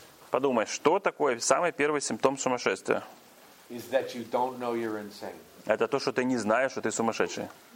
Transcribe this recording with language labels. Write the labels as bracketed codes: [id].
[ru] Подумай, что такое самый первый симптом сумасшествия? [en] Is that you don't know you're insane. [ru] Это то, что ты не знаешь, что ты сумасшедший.